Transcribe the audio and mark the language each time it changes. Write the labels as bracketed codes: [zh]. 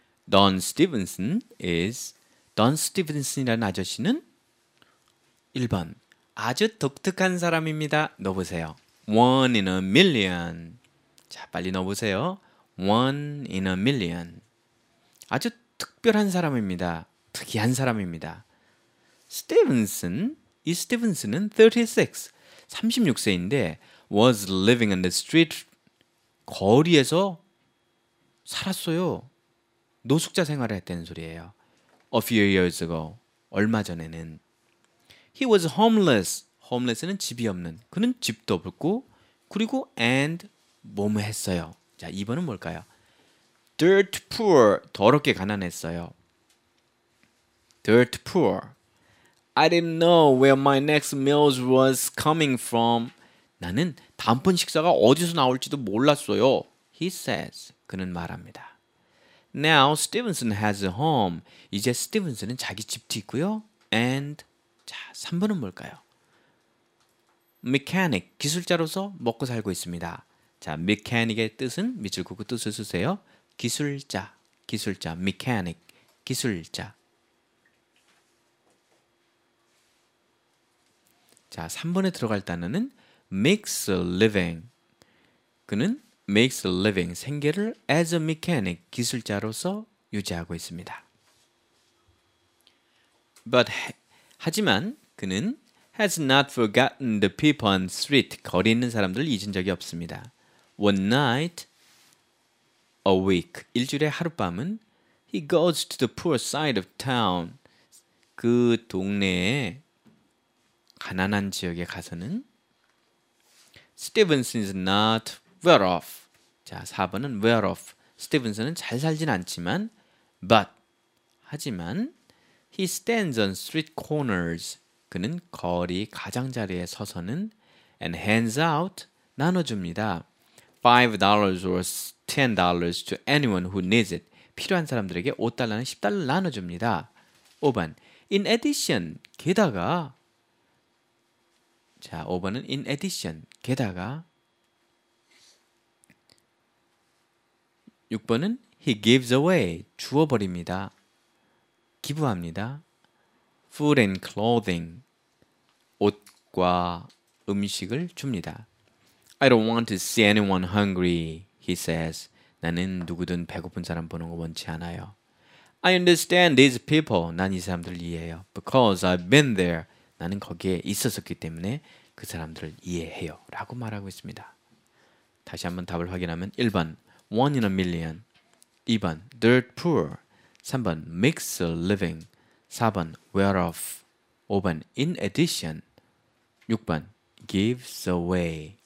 [ko] Don Stevenson이라는 아저씨는 1번, 아주 독특한 사람입니다. 넣어보세요. [en] One in a million. [ko] 자, 빨리 넣어보세요. [en] One in a million. [ko] 아주 특별한 사람입니다. 특이한 사람입니다. Stevenson, 이 스티븐슨은 36세인데 [en] was living on the street, [ko] 거리에서 살았어요. 노숙자 생활을 했다는 소리예요. [en] A few years ago, [ko] 얼마 전에는. [en] He was homeless. [ko] Homeless는 집이 없는. 그는 집도 없고 그리고 and 뭐뭐 했어요. 자, 2번은 뭘까요? [en] Dirt poor, [ko] 더럽게 가난했어요. [en] Dirt poor. I didn't know where my next meal was coming from. [ko] 나는 다음번 식사가 어디서 나올지도 몰랐어요. [en] He says. [ko] 그는 말합니다. [en] Now Stevenson has a home. [ko] 이제 스티븐슨은 자기 집도 있고요. And 자, 3번은 뭘까요? Mechanic, 기술자로서 먹고 살고 있습니다. 자, mechanic의 뜻은 밑줄 긋고 뜻을 쓰세요. 기술자, mechanic, 기술자. 자, 3번에 들어갈 단어는 makes a living. [en] 그는 makes a living, [ko] 생계를 [en] as a mechanic, [ko] 기술자로서 유지하고 있습니다. [en] But [ko] 하지만 그는 [en] has not forgotten the people on the street, [ko] 거리 있는 사람들을 잊은 적이 없습니다. [en] One night a week, [ko] 일주일의 하룻밤은 [en] he goes to the poor side of town, [ko] 그 동네에 가난한 지역에 가서는. [en] Stevenson is not well off. [ko] 자, 4번은 well off. Stevenson은 잘 살진 않지만, [en] but, [ko] 하지만, [en] he stands on street corners. [ko] 그는 거리 가장자리에 서서는 [en] and hands out, [ko] 나눠줍니다. [en] $5 or $10 to anyone who needs it. [ko] 필요한 사람들에게 $5는 $10 나눠줍니다. 5번, [en] in addition, [ko] 게다가, 자, 5번은 in addition, 게다가 6번은 [en] he gives away, [ko] 주워버립니다. 기부합니다. [en] Food and clothing, [ko] 옷과 음식을 줍니다. [en] I don't want to see anyone hungry, he says. [ko] 나는 누구든 배고픈 사람 보는 거 원치 않아요. [en] I understand these people. [ko] 난 이 사람들을 이해해요. [en] Because I've been there. [ko] 나는 거기에 있었었기 때문에 그 사람들을 이해해요. 라고 말하고 있습니다. 다시 한번 답을 확인하면 1번 One in a million 2번 Dirt poor 3번 Makes a living 4번 Well off 5번 In addition 6번 Gives away